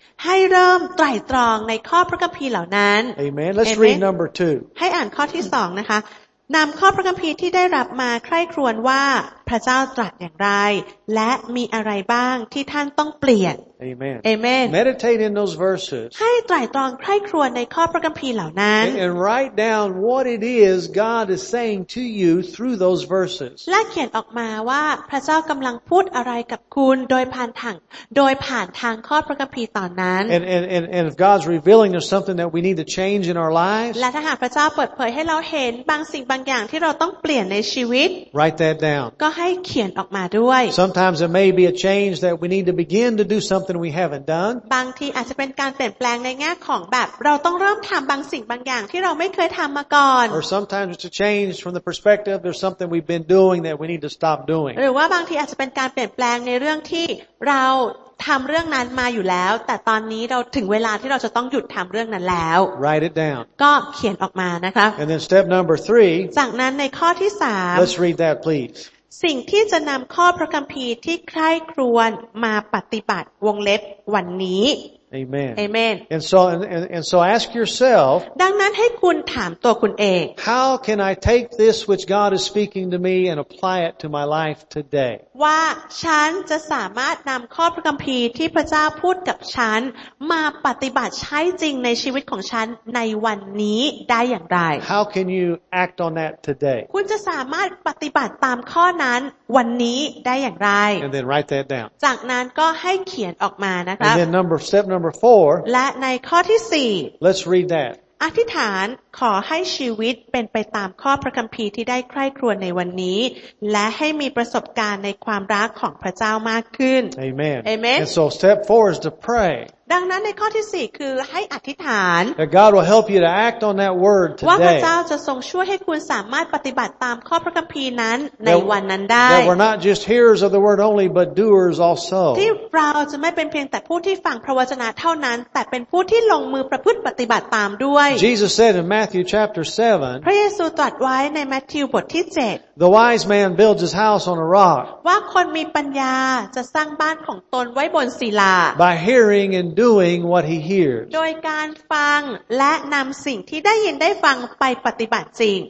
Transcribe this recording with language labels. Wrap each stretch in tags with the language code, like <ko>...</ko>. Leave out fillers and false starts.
<th>ให้เริ่มไตร่ตรองในข้อพระคัมภีร์เหล่านั้น</th> <en>Amen Let's read number 2</en> <th>ให้อ่านข้อที่2นะคะนำข้อพระคัมภีร์ที่ได้รับมาใคร่ครวญว่า พระเจ้าตรัสอย่างไรและมีอะไรบ้างที่ท่านต้องเปลี่ยน</th> <en>Amen. Amen. Meditate in those verses.</en> <th>ให้ตรายตรองใคร่ครวญในข้อพระคัมภีร์เหล่านั้น</th> <en>And write down what it is God is saying to you through those verses.</en> <th>และเขียนออกมาว่าพระเจ้ากำลังพูดอะไรกับคุณโดยผ่านทางข้อพระคัมภีร์ตอนนั้น</th> <en>And if God's revealing there's something that we need to change in our lives.</en> <th>และถ้าหากพระเจ้าเปิดเผยให้เราเห็นบางสิ่งบางอย่างที่เราต้องเปลี่ยนในชีวิต</th> <en>Write that down.</en> <th>ก็ให้เขียนออกมาด้วย</th> <en>Sometimes it may be a change that we need to begin to do something we haven't done</en> <th>บางทีอาจจะเป็นการเปลี่ยนแปลงในแง่ของแบบเราต้องเริ่มทำบางสิ่งบางอย่างที่เราไม่เคยทำมาก่อน</th> <en>Or sometimes it's a change from the perspective of something we've been doing that we need to stop doing</en> <th>หรือว่าบางทีอาจจะเป็นการเปลี่ยนแปลงในเรื่องที่เราทำเรื่องนั้นมาอยู่แล้วแต่ตอนนี้เราถึงเวลาที่เราจะต้องหยุดทำเรื่องนั้นแล้ว</th> <en>Write it down</en> <th>ก็เขียนออกมานะคะ</th> <en>And then step number 3</en> <th>จากนั้นในข้อที่3</th> <en>Let's read that please</en> <th>สิ่งที่จะนำข้อพระคัมภีร์ที่ใคร่ครวญมาปฏิบัติวงเล็บวันนี้</th> <en>Amen. Amen. And so ask yourself</en> <th>ดังนั้นให้คุณถามตัวคุณเอง</th> <en>How can I take this which God is speaking to me and apply it to my life today?</en> <th>ว่าฉันจะสามารถนำข้อพระคัมภีร์ที่พระเจ้าพูดกับฉันมาปฏิบัติใช้จริงในชีวิตของฉันในวันนี้ได้อย่างไร</th> <en>How can you act on that today?</en> <th>คุณจะสามารถปฏิบัติตามข้อนั้นวันนี้ได้อย่างไร</th> <en>And then write that down.</en> <th>จากนั้นก็ให้เขียนออกมานะคะ</th> <en>And then step number 4.</en> <th>และในข้อที่4</th> <en>Let's read that.</en> <th>อธิษฐานขอให้ชีวิตเป็นไปตามข้อพระคัมภีร์ที่ได้ใคร่ครวญในวันนี้และให้มีประสบการณ์ในความรักของพระเจ้ามากขึ้น</th> <en>Amen. Amen. And so step 4 is to pray.</en> <th>ดังนั้นในข้อที่4คือให้อธิษฐาน</th> <en>That God will help you to act on that word today.</en> <th>ว่าพระเจ้าจะทรงช่วยให้คุณสามารถปฏิบัติตามข้อพระคัมภีร์นั้นในวันนั้นได้</th> <en>That we're not just hearers of the word only but doers also.</en> <th>ที่เราจะไม่เป็นเพียงแต่ผู้ที่ฟังพระวจนะเท่านั้นแต่เป็นผู้ที่ลงมือประพฤติปฏิบัติตามด้วย</th> <en>Jesus said in Matthew chapter 7</en> <th>พระเยซูตรัสไว้ในมัทธิวบทที่7</th> <en>The wise man builds his house on a rock</en> <th>ว่าคนมีปัญญาจะสร้างบ้านของตนไว้บนศิลา</th> <en>By hearing and doing what he hears</en> <th>โดยการฟังและนำสิ่งที่ได้ยินได้ฟังไปปฏิบัติจริง</th>